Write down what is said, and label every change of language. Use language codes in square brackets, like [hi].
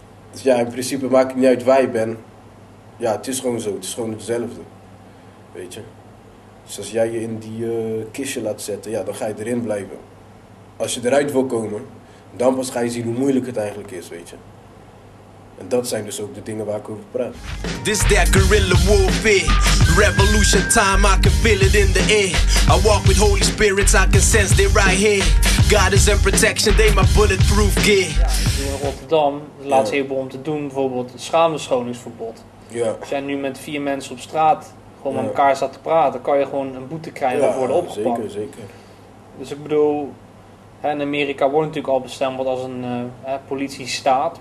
[nl] Dus ja, in principe maakt het niet uit waar je bent. Ja, het is gewoon zo. Het is gewoon hetzelfde. Weet je. Dus als jij je in die kistje laat zetten, ja, dan ga je erin blijven. Als je eruit wil komen, dan pas ga je zien hoe moeilijk het eigenlijk is, weet je. En dat zijn dus ook de dingen waar ik over praat. [en] This that guerrilla warfare. Revolution time, I can feel it in the air. I walk with Holy Spirit, I can sense they're right here. God is in protection, they my bulletproof gear. [nl] Ja, in Rotterdam, de laatste heleboel om te doen, bijvoorbeeld het schaamverschoningsverbod. Ja. We zijn nu met vier mensen op straat, gewoon met elkaar zat te praten. Kan je gewoon een boete krijgen of worden opgepakt. Zeker, zeker. Dus ik bedoel... In Amerika wordt natuurlijk al bestempeld als een politiestaat.